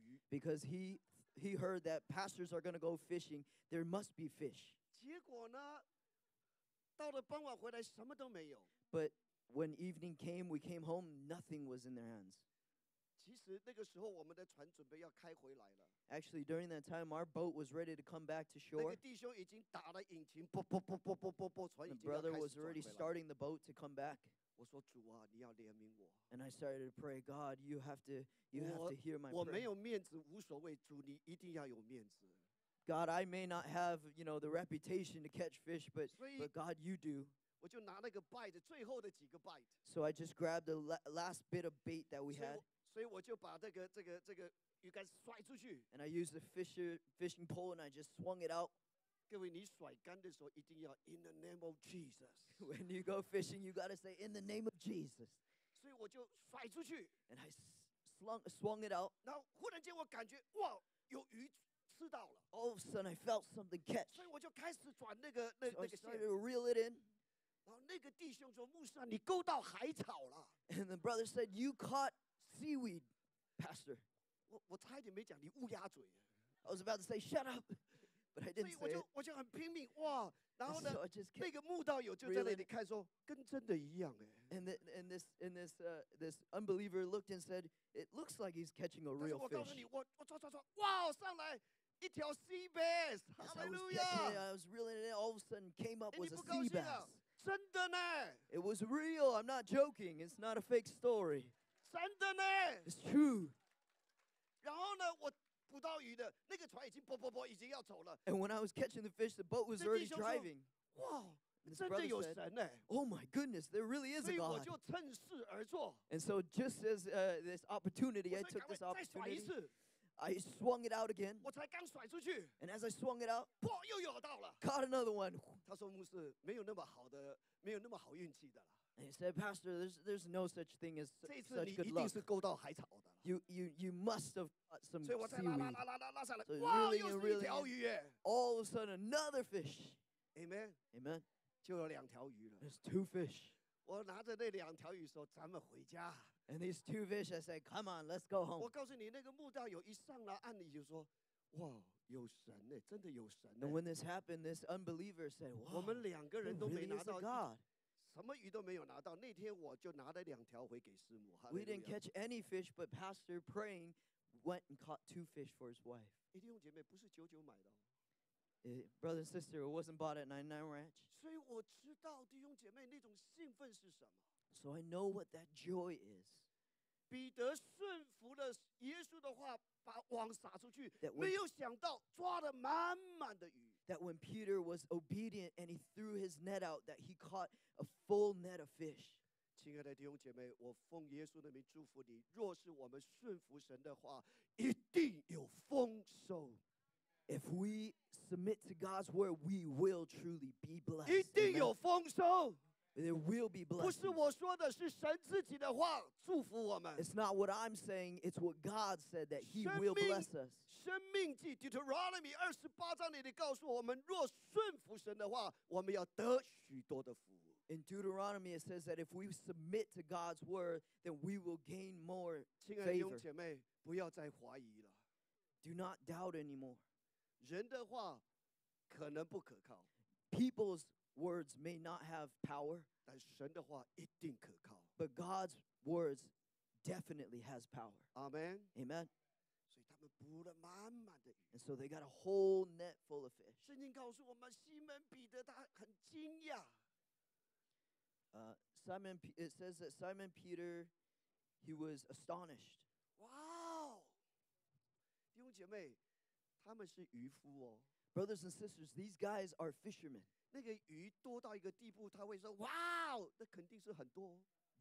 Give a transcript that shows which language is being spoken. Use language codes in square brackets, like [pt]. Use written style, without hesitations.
[en] Because he heard that pastors are going to go fishing, there must be fish. [zh] 结果呢,到了傍晚回来,什么都没有。 [en] But when evening came, we came home, nothing was in their hands. [zh] 其实那个时候我们的船准备要开回来了。 [en] Actually, during that time, our boat was ready to come back to shore. [zh] 那个弟兄已经打了引擎,啵啵啵啵啵啵啵,船已经 [en] The brother was already starting the boat to come back. [zh] 我说主啊,你要怜悯我。 [en] And I started to pray, God, you have to hear my prayer. [zh] 我没有面子,无所谓,主,你一定要有面子。 [en] God, I may not have, you know, the reputation to catch fish, but God, you do. [zh] 我就拿那个 bite, 最后的几个 bite. [en] So I just grabbed the last bit of bait that we had. [zh] 所以我就把这个鱼竿甩出去。 [en] And I used the fishing pole and I just swung it out. [zh] 各位，你甩竿的时候一定要 [en] in the name of Jesus. When you go fishing, you gotta say in the name of Jesus. [zh] 所以我就甩出去。 [en] And I swung it out. [zh] 然后忽然间我感觉哇，有鱼吃到了。 [en] All of a sudden, I felt something catch. [zh] 所以我就开始转那个线。 [en] So I started to reel it in. [zh] 然后那个弟兄说：“牧师啊，你勾到海草了。” [en] And the brother said, "You caught seaweed, Pastor." [zh] 我差一点没讲你乌鸦嘴。 [en] I was about to say, "Shut up." But I didn't say it. [zh] 我就很拼命哇，然后呢，so、那个慕道友就在那里看说，跟真的一样哎。 [en] And this unbeliever looked and said, it looks like he's catching a real fish. [zh] 但是我告诉你，我抓，哇，上来一条 sea bass. [en] Hallelujah! I was reeling it in, all of a sudden came up was a sea bass. [zh] 真的呢。 [en] It was real. I'm not joking. It's not a fake story. [zh] 真的呢。 [en] It's true. [zh] 然后呢，我。捕到鱼的那个船已经啵啵啵已经要走了。 [en] And when I was catching the fish, the boat was already driving. [zh] 哇，真的有神呢、欸、 [en] ！Oh my goodness, there really is a God. [zh] 所以我就趁势而作。 [en] And so just as this opportunity, I took this opportunity. [zh] 再甩一次。 [en] I swung it out again. [zh] 我才刚甩出去。 [en] And as I swung it out, [zh] 啵，又咬到了。 [en] Caught another one. [zh] 他说牧师没有那么好的，没有那么好运气的啦。 [en] And he said, Pastor, there's no such thing as such good luck. You must have got some seaweed. So really, really, all of a sudden, another fish. Amen. Amen. There's two fish. [zh] 我拿着那两条鱼说，咱们回家。 [en] And these two fish, I said, come on, let's go home. [zh] 我告诉你，那个慕道友一上来岸里就说，哇。有神耶，真的有神耶。 [en] And when this happened, this unbeliever said, wow, [zh] 我们两个人都没拿到 [en] God. [zh] 什么鱼都没有拿到，那天我就拿了两条回给师母。 [en] We didn't catch any fish, but Pastor praying went and caught two fish for his wife. [zh] 弟兄姐妹，不是九九买的。 [en] Brother and sister, it wasn't bought at 99 Ranch. [zh] 所以我知道弟兄姐妹那种兴奋是什么。 [en] So I know what that joy is. [zh] 彼得顺服了耶稣的话，把网撒出去，没有想到抓得满满的鱼。 [en] That when Peter was obedient and he threw his net out, that he caught a full net of fish. [zh] 亲爱的弟兄姐妹，我奉耶稣的名祝福你。若是我们顺服神的话，一定有丰收。 [en] If we submit to God's word, we will truly be blessed. [zh] 一定有丰收。 [en] There will be blessings. [zh] 不是我说的，是神自己的话祝福我们。 [en] It's not what I'm saying, it's what God said that He will bless us. [zh] 生命记 Deuteronomy 28章里告诉我们，若顺服神的话，我们要得许多的福。 [en] In Deuteronomy, it says that if we submit to God's word, then we will gain more favor. [zh] 亲爱的弟兄姐妹，不要再怀疑了。 [en] Do not doubt anymore. [zh] 人的话可能不可靠。 [en] People'swords may not have power, [zh] 但神的话一定可靠。 [en] But God's words definitely has power. Amen. Amen. [zh] 所以他们捕了满满的鱼。 [en] And so they got a whole net full of fish. [zh] 圣经告诉我们，西门彼得他很惊讶。 [en] Simon, it says that Simon Peter, he was astonished. Wow! [zh] 弟兄姐妹，他们是渔夫哦。 [en] Brothers and sisters, these guys are fishermen. [zh] 那个鱼多到一个地步，他会说：“哇，那肯定是很多。”